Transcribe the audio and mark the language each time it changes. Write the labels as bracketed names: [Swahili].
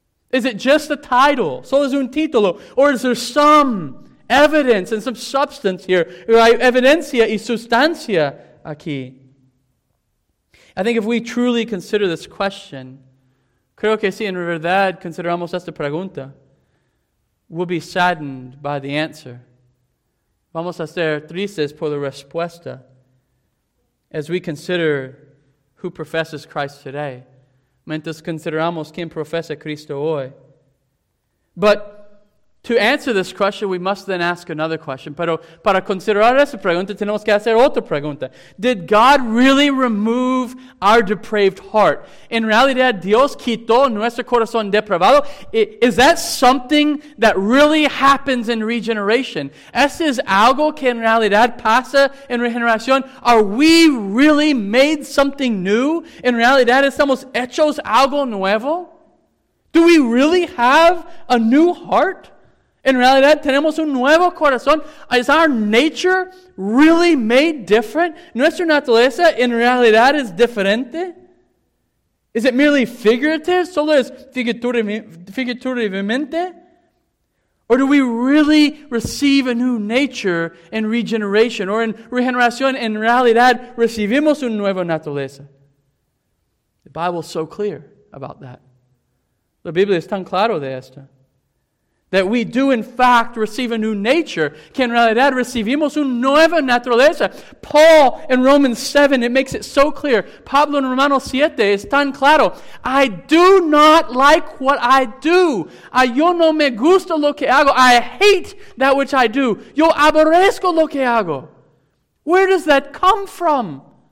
[English] Is it just a title? [Spanish] ¿Solo es un título? [English] Or is there some evidence and some substance here? [Spanish] ¿Hay evidencia y sustancia aquí? [English] I think if we truly consider this question, [Spanish] creo que si en verdad consideramos esta pregunta, [English] we'll be saddened by the answer. [Spanish] Vamos a ser tristes por la respuesta [English] as we consider who professes Christ today. [Spanish] Mientras consideramos quién profesa Cristo hoy. [English] But to answer this question, we must then ask another question. [Spanish] Pero para considerar esa pregunta, tenemos que hacer otra pregunta. [English] Did God really remove our depraved heart? [Spanish] En realidad, Dios quitó nuestro corazón depravado. [English] Is that something that really happens in regeneration? [Spanish] ¿Eso es algo que en realidad pasa en regeneración? [English] Are we really made something new? [Spanish] En realidad, ¿estamos hechos algo nuevo? [English] Do we really have a new heart? [Spanish] En realidad, ¿tenemos un nuevo corazón? [English] Is our nature really made different? [Spanish] ¿Nuestra naturaleza en realidad es diferente? [English] Is it merely figurative? [Spanish] ¿Solo es figurativamente? [English] Or do we really receive a new nature in regeneration? [Spanish] Or in regeneración, en realidad, recibimos una nueva naturaleza? [English] The Bible is so clear about that. [Spanish] La Biblia es tan claro de esto. [English] That we do, in fact, receive a new nature. [Spanish] Que en realidad recibimos una nueva naturaleza. [English] Paul in Romans 7, it makes it so clear. [Spanish] Pablo in Romanos 7, es tan claro. [English] I do not like what I do. [Spanish] Yo no me gusta lo que hago. [English] I hate that which I do. [Spanish] Yo aborrezco lo que hago. [English] Where does that come from?